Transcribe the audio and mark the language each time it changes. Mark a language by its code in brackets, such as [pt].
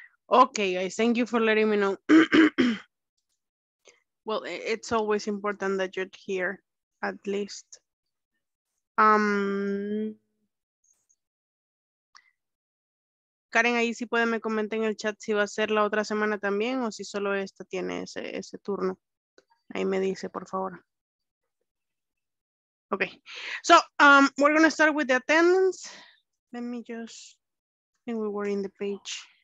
[en] Okay, guys, thank you for letting me know. Well, it's always important that you're here, at least. [es] Karen, ahí sí puede me comentar en el chat si va a ser la otra semana también o si solo esta tiene ese turno. Ahí me dice, por favor. [en] Okay, so we're gonna start with the attendance. Let me just, I think we were in the page.